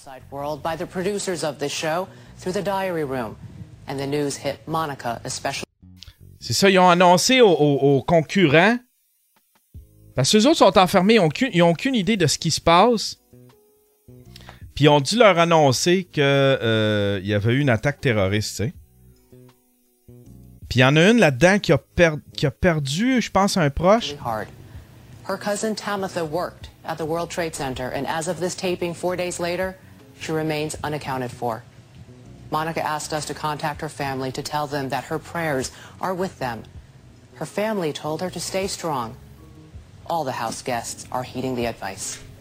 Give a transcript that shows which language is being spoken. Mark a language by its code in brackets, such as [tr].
[en] World by the producers of this show through the diary room, and the news hit Monica especially. [fr] C'est ça, ils ont annoncé aux concurrents. Parce que eux autres sont enfermés, ils ont aucune idée de ce qui se passe. Puis ils ont dû leur annoncer que il y avait eu une attaque terroriste, tu sais. Puis il y en a une là-dedans qui a perdu, je pense, un proche. [en] Her cousin Tamitha worked at the World Trade Center, and as of this taping, 4 days later. She remains unaccounted for. Monica asked us to contact her family to tell them that her prayers are with them. Her family told her to stay strong. All the house guests are heeding the advice.